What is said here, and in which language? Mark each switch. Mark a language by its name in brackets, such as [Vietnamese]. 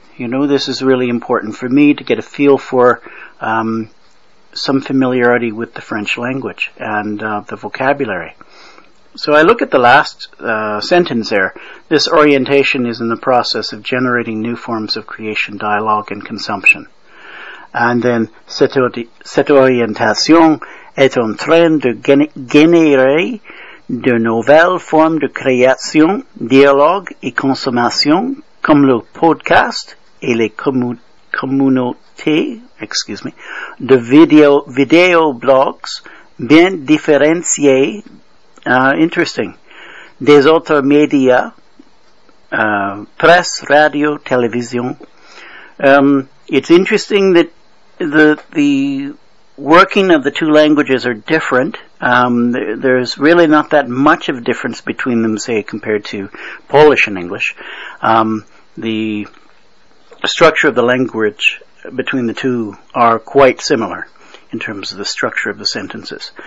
[English] You know, this is really important for me to get a feel for some familiarity with the French language and the vocabulary. So I look at the last sentence there. This orientation is in the process of generating new forms of creation, dialogue, and consumption. And then, [French] cette orientation est en train de générer de nouvelles formes de création, dialogue et consommation, comme le podcast et les communautés, [English] excuse me, [French] de vidéo blogs bien différenciés. [English] Interesting. [French] Des autres médias, presse, radio, télévision. [English] It's interesting that the working of the two languages are different. There's really not that much of a difference between them, say, compared to Polish and English. The structure of the language between the two are quite similar in terms of the structure of the sentences.